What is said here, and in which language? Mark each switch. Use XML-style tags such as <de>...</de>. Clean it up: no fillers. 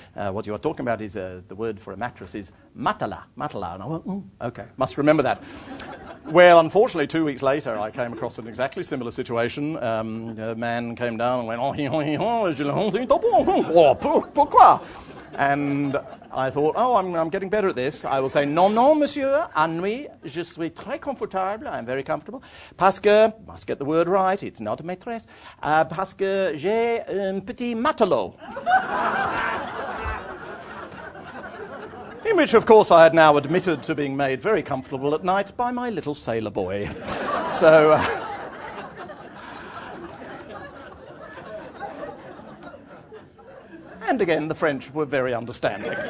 <en>What you are talking about is the word for a mattress is matelas. And I went, okay, must remember that. Well, unfortunately, 2 weeks later, I came across an exactly similar situation. A man came down and went, oh,</en> <fr>je le sens pas bon. Pourquoi?</fr> <en>And I thought, oh, I'm getting better at this. I will say,</en> <fr>non, non, monsieur, à nuit, je suis très confortable.</fr> <en>I'm very comfortable.</en> <fr>Parce que,</fr> <en>must get the word right, it's not a</en> <fr>maîtresse. Parce que j'ai un petit matelot.</fr> <en>In which, of course, I had now admitted to being made very comfortable at night by my little sailor boy. So, and again, the French were very understanding.</en>